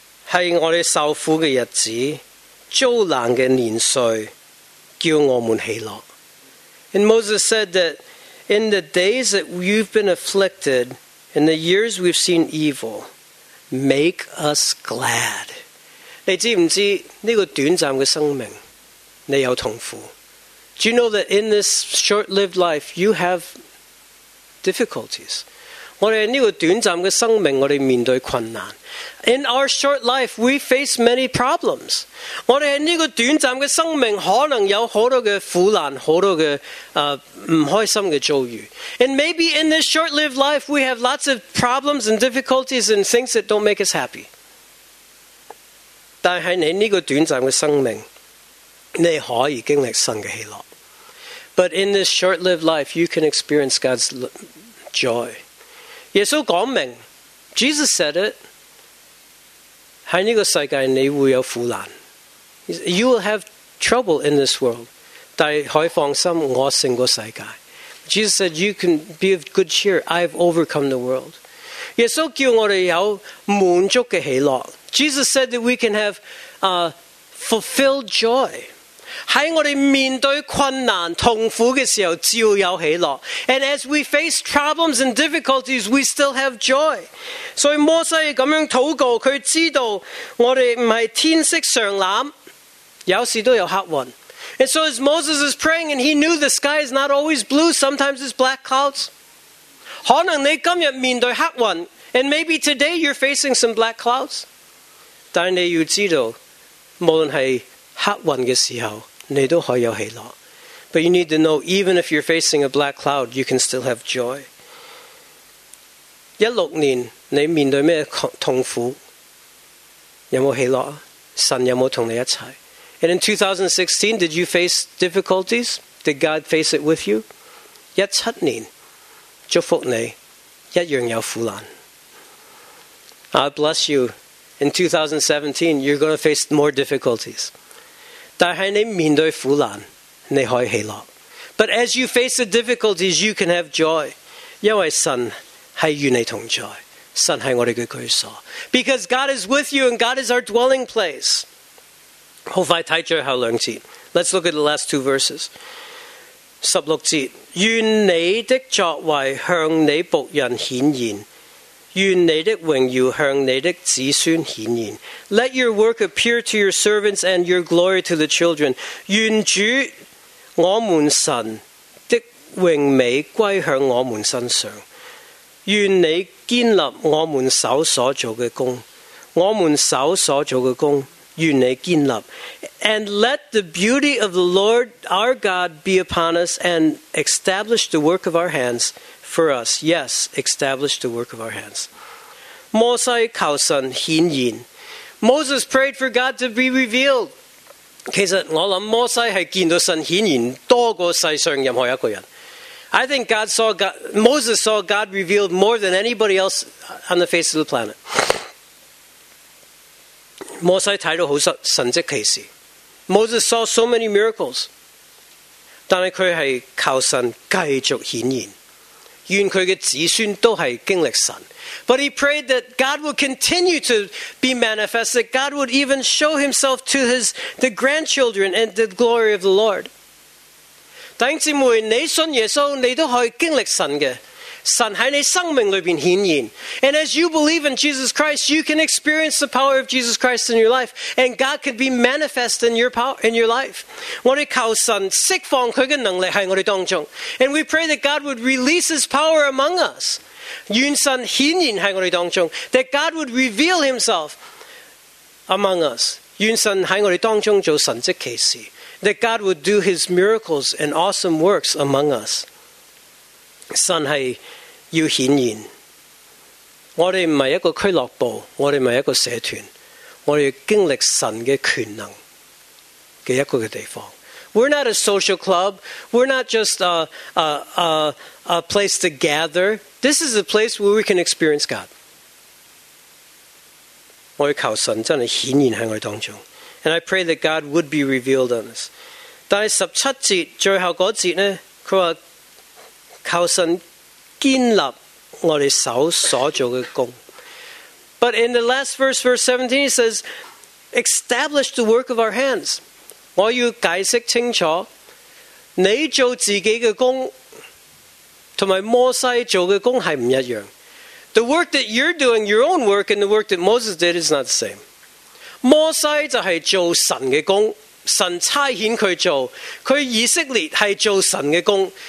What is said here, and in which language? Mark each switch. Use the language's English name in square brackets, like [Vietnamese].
[Chinese] 是我们受苦的日子，遭难的年岁，叫我们喜乐。 [English] And Moses said that in the days that you've been afflicted, in the years we've seen evil, make us glad. [Chinese] 你知不知这个短暂的生命你有痛苦？ [English] Do you know that in this short-lived life, you have difficulties? [Chinese] 我们这个短暂的生命，我们面对困难。 [English] In our short life, we face many problems. [Chinese] 我们这个短暂的生命，可能有很多的苦难，很多的不开心的遭遇。 [English] And maybe in this short-lived life, we have lots of problems and difficulties and things that don't make us happy. [Chinese] 但是在你这个短暂的生命，你可以经历神的喜乐。 [English] But in this short-lived life, you can experience God's joy. [Chinese] 耶稣讲明 [English] Jesus said it, [Chinese] 在这个世界你会有苦难。 [English] You will have trouble in this world, [Chinese] 但可以放心，我胜过世界。 [English] Jesus said, you can be of good cheer, I've overcome the world. [Chinese] 耶稣叫我们有满足的喜乐。 [English] Jesus said that we can have fulfilled joy. [Chinese] 在我们面对困难痛苦的时候就有喜乐。 [English] And as we face problems and difficulties, we still have joy. [Chinese] 所以摩西这样祷告，他知道我们不是天色常蓝，有时都有黑云。 [English] And so as Moses is praying, and he knew the sky is not always blue, sometimes it's black clouds. [Chinese] 可能你今天面对黑云， [English] And maybe today you're facing some black clouds. [Chinese] 但你要知道，无论是黑云的时候你都可以有喜乐。 [English] But you need to know, even if you're facing a black cloud, you can still have joy. [Chinese] 16年你面对什么痛苦，有没有喜乐？神有没有同你一起？ [English] And in 2016, did you face difficulties? Did God face it with you? [Chinese] 17年祝福你一样有苦难。 [English] I bless you. In 2017, you're going to face more difficulties. [Chinese] 但是你面对苦难，你可以喜乐。 [English] But as you face the difficulties, you can have joy. [Chinese] 因为神是与你同在，神是我们的居所。 [English] Because God is with you and God is our dwelling place. [Chinese] 好快看最后两节。 [English] Let's look at the last two verses. [Chinese] 16节，愿你的作为向你仆人显现。愿你的荣耀向你的子孙显现。 [English] Let your work appear to your servants and your glory to the children. [Chinese] 愿主我们神的荣美归向我们身上。愿你建立我们手所做的工。我们手所做的工，愿你建立。 [English] And let the beauty of the Lord our God be upon us and establish the work of our hands. For us, yes, establish the work of our hands. [Chinese] 摩西求神显现。 [English] Moses prayed for God to be revealed. [Chinese] 其实我想摩西是见到神显现多过世上任何一个人。 [English] I think God saw God, Moses saw God revealed more than anybody else on the face of the planet. [Chinese] 摩西睇到好神迹奇事。 [English] Moses saw so many miracles. [Chinese] 但是他是求神继续显现。愿他的子孙都是经历神。 [English] But he prayed that God would continue to be manifest, that God would even show himself to the grandchildren and the glory of the Lord. [Chinese] 弟兄姊妹，你信耶稣，你都可以经历神的。神在你生命里面显现。 [English] And as you believe in Jesus Christ, you can experience the power of Jesus Christ in your life, and God can be manifest in your life. [Chinese] 我们求神释放祂的能力在我们当中。 [English] And we pray that God would release His power among us. [Chinese] 愿神显现在我们当中。 [English] That God would reveal Himself among us. [Chinese] 愿神在我们当中做神迹奇事。 [English] That God would do His miracles and awesome works among us. [Chinese] 神是要显现。我们不是一个俱乐部，我们不是一个社团，我们要经历神的权能的一个地方。 [English] We're not a social club. We're not just a place to gather. This is a place where we can experience God. [Chinese] 我们求神真的显现在我们当中。 [English] And I pray that God would be revealed on us. [Chinese] 但是17节最后那节呢，他说求神建立我们手所做的工。 [English] But in the last verse, verse 17, he says, establish the work of our hands. [Chinese] 我要解釋清楚,你做自己的工,和摩西做的工是不一樣。 [English] The work that you're doing, your own work, and the work that Moses did is not the same. [Chinese] 摩西就是做神的工,神差遣他做,他以色列是做神的工。